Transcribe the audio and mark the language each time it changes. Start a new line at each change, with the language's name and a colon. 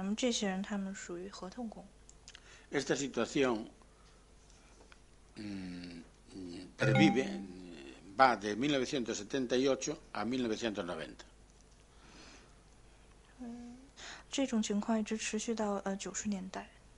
Chinese: 那么这些那个就是服务的这些政府官员，他们和其他的中央政府的官员是不一样的。中央政府他们的官员是长期的，固定的。那么这些人他们属于合同工。
Spanish: Esta situación pervive, va de 1978 a 1990.
Chinese: 这种情况一直持续到90年代。